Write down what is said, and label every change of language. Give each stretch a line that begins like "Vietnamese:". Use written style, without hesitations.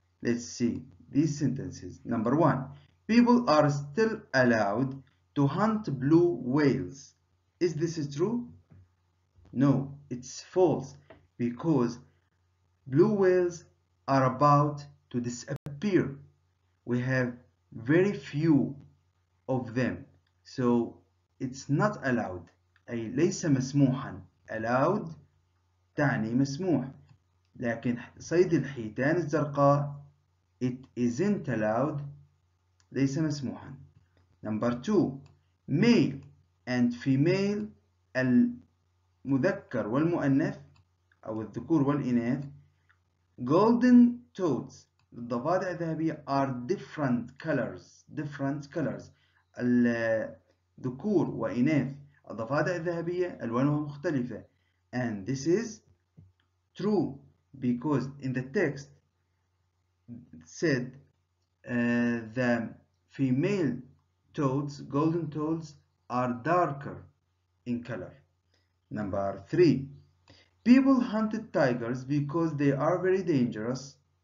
English: Let's see these sentences. Number one, people are still allowed to hunt blue whales. Is this true? No, it's false because blue whales are about to disappear. We have very few of them, so it's not allowed.
Arabic: أي ليس مسموحا. Allowed تعني مسموح. لكن صيد الحيتان الزرقاء,
English: it isn't allowed,
Arabic: ليس مسموحا.
English: Number two, male and female,
Arabic: المذكر والمؤنث أو الذكور والإناث.
English: Golden toads,
Arabic: الضفادع الذهبية,
English: are different colors. Different colors,
Arabic: الذكور وإناث الضفادع الذهبية ألوانهم مختلفة.
English: And this is true because in the text said the female toads, golden toads, are darker in color. Number three, people hunted tigers because they are very dangerous.